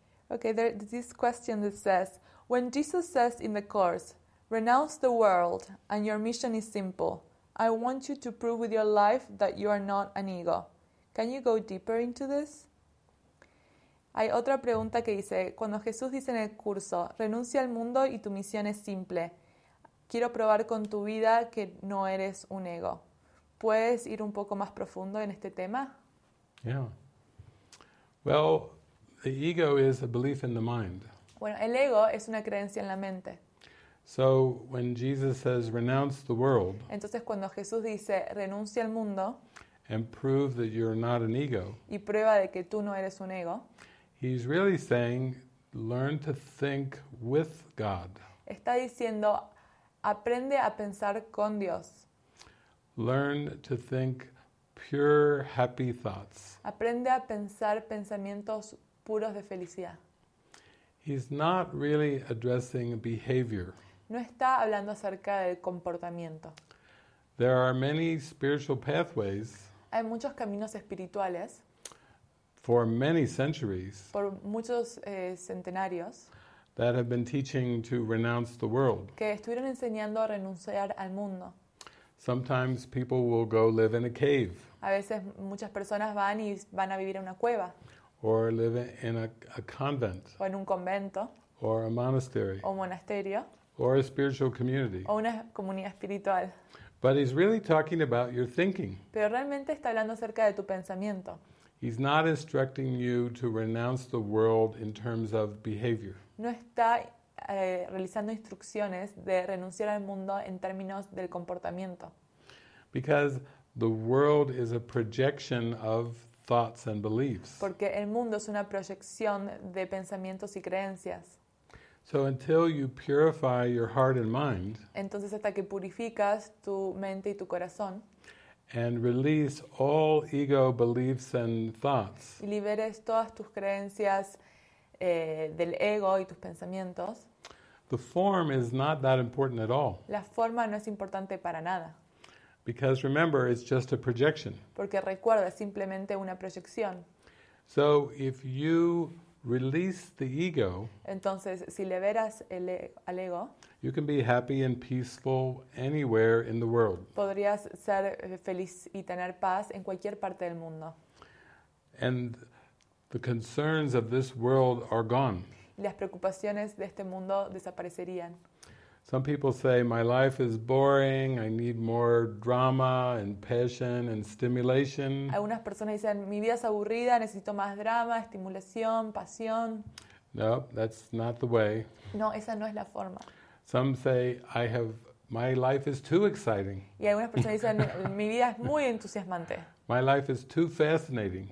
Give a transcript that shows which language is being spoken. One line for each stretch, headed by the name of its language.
English: Okay, this question that says, when Jesus says in the Course, renounce the world and your mission is simple. I want you to prove with your life that you are not an ego. Can you go deeper into this?
Spanish: Hay otra pregunta que dice, cuando Jesús dice en el curso, renuncia al mundo y tu misión es simple. Quiero probar con tu vida que no eres un ego. ¿Puedes ir un poco más profundo en este tema?
English: Yeah. Well, the ego is a belief in the mind.
Spanish: Bueno, el ego es una creencia en la mente.
English: So when Jesus says renounce the world,
Spanish: entonces cuando Jesús dice renuncia al mundo,
English: and prove that you're not an ego,
Spanish: y prueba de que tú no eres un ego,
English: he's really saying learn to think with God.
Spanish: Está diciendo aprende a pensar con Dios.
English: Learn to think pure happy thoughts.
Spanish: Aprende a pensar pensamientos puros de felicidad.
English: He's not really addressing behavior.
Spanish: No está hablando acerca del comportamiento.
English: There are many spiritual pathways.
Spanish: Hay muchos caminos espirituales.
English: For many centuries.
Spanish: Por muchos centenarios.
English: That have been teaching to renounce the world.
Spanish: Que estuvieron enseñando a renunciar al mundo.
English: Sometimes people will go live in a cave.
Spanish: A veces muchas personas van y van a vivir en una cueva.
English: Or live in a convent.
Spanish: O en un convento.
English: Or a monastery.
Spanish: O un monasterio.
English: Or a spiritual community.
Spanish: O una comunidad espiritual.
English: But he's really talking about your thinking.
Spanish: Pero realmente está hablando acerca de tu pensamiento.
English: He's not instructing you to renounce the world in terms of behavior.
Spanish: no está realizando instrucciones de renunciar al mundo en términos del comportamiento.
English: Because the world is a projection of thoughts and beliefs.
Spanish: Porque el mundo es una proyección de pensamientos y creencias.
English: So until you purify your heart and mind,
Spanish: entonces hasta que purificas tu mente y tu corazón,
English: and release all ego beliefs and thoughts,
Spanish: y liberes todas tus creencias del ego y tus pensamientos,
English: the form is not that important at all.
Spanish: La forma no es importante para nada.
English: Because remember, it's just a projection.
Spanish: Porque recuerda, es simplemente una proyección.
English: So if you release the ego,
Spanish: entonces, si liberas al ego,
English: you can be happy and peaceful anywhere in the world.
Spanish: Podrías ser feliz y tener paz en cualquier parte del mundo.
English: And the concerns of this world are gone.
Spanish: Y las preocupaciones de este mundo desaparecerían.
English: Some people say, my life is boring, I need more drama and passion and stimulation.
Spanish: Algunas personas dicen, mi vida es aburrida, necesito más drama, estimulación, pasión.
English: No, that's not the way.
Spanish: No, esa no es la forma.
English: Some say, my life is too exciting.
Spanish: Y algunas personas dicen, mi vida es muy entusiasmante.
English: My life is too fascinating.